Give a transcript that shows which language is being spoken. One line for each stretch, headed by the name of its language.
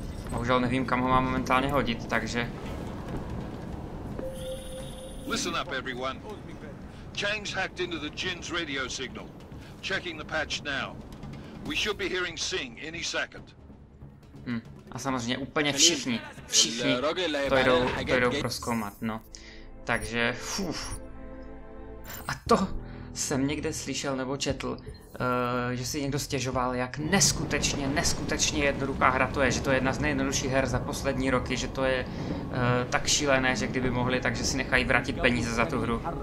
Czech: Bohužel nevím, kam ho mám momentálně hodit, takže...
English: Listen up, everyone. James hacked into the Jin's radio signal. Checking the patch now. We should be hearing Singh any second.
Czech: A samozřejmě úplně všichni to jdou prozkoumat, no. Takže, fuf. A to jsem někde slyšel nebo četl, že si někdo stěžoval, jak neskutečně jednoduchá hra to je, že to je jedna z nejjednodušších her za poslední roky, že to je tak šílené, že kdyby mohli, takže si nechají vrátit peníze za tu hru.